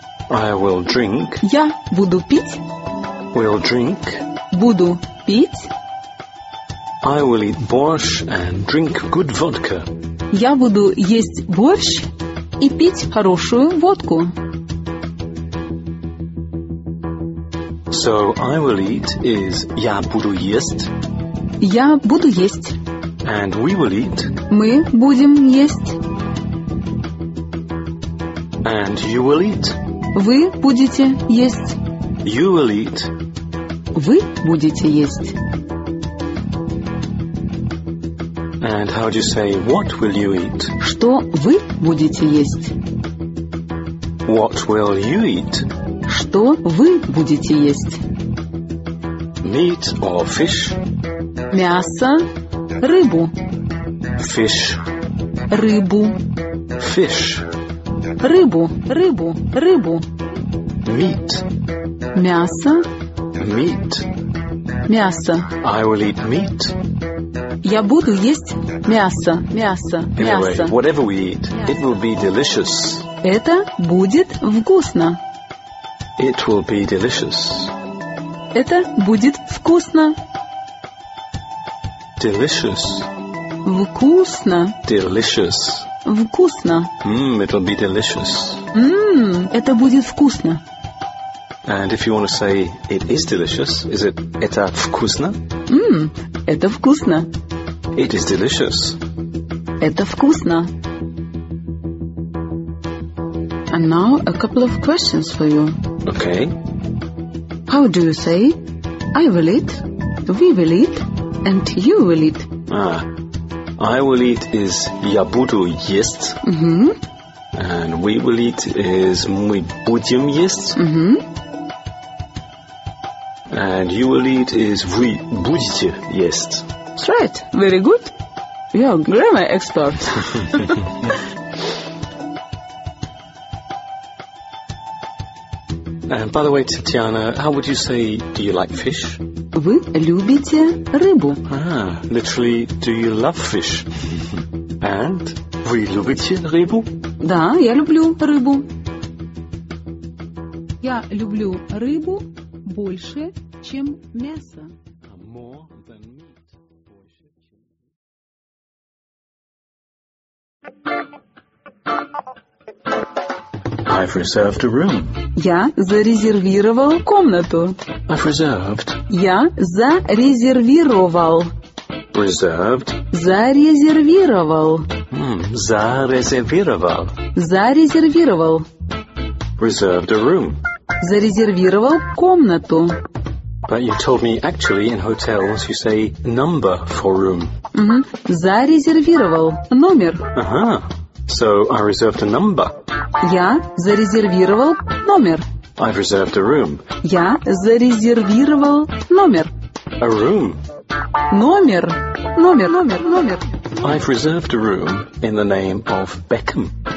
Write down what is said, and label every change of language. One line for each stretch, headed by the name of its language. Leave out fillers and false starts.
English: I will drink.
Russian: Я буду пить.
English: Will drink.
Russian: Буду пить.
English: I will eat borscht and drink good vodka.
Russian: Я буду есть борщ и пить хорошую водку.
English: So I will eat is
Russian: я буду есть. Я буду есть.
English: And we will eat.
Russian: Мы будем есть.
English: And you will eat.
Russian: Вы будете есть.
English: You will eat.
Russian: Вы будете есть.
English: And how do you say what will you eat?
Russian: Что вы будете есть?
English: What will you eat?
Russian: Что вы будете есть?
English: Meat or fish?
Russian: Мясо, рыбу.
English: Fish.
Russian: Рыбу.
English: Fish.
Russian: Рыбу, рыбу, рыбу.
English: Meat.
Russian: Мясо.
English: Meat.
Russian: Мясо.
English: I will eat meat.
Russian: Я буду есть мясо, мясо, мясо.
English: Anyway, whatever we eat, it will be delicious.
Russian: Это будет вкусно.
English: It will be delicious.
Russian: Это будет вкусно.
English: Delicious.
Russian: Вкусно.
English: Delicious.
Russian: Вкусно.
English: Mm, it'll be delicious.
Russian: Mm, это будет вкусно.
English: And if you want to say it is delicious, is it
Russian: это вкусно? Mm, это вкусно.
English: It is delicious.
Russian: Это вкусно.
English: And now a couple of questions for you. Okay. How do you say I will eat, we will eat, and you will eat? Ah. I will eat is
Russian: я буду есть. Mm-hmm.
English: And we will eat is
Russian: мы будем есть. Mm-hmm.
English: And you will eat is
Russian: вы будете есть.
English: That's right. Very good. You are a grammar expert. And by the way, Tatiana, how would you say do you like fish?
Russian: Вы любите рыбу.
English: Ah, literally, do you love fish? And
Russian: вы любите рыбу? Да, я люблю рыбу. Я люблю рыбу больше, чем мясо.
English: More than meat. I've reserved a room.
Russian: Я зарезервировал комнату.
English: I've reserved.
Russian: Я зарезервировал.
English: Reserved.
Russian: Зарезервировал. Mm, зарезервировал. Зарезервировал.
English: Reserved a room.
Russian: Зарезервировал комнату.
English: But you told me actually in hotels you say number for room.
Russian: Mm-hmm. Зарезервировал. Номер.
English: Ага. So I reserved a number.
Russian: Я зарезервировал номер.
English: I've reserved a room.
Russian: Я зарезервировал номер.
English: A room.
Russian: Номер. Номер. Номер. Номер.
English: I've reserved a room in the name of Beckham.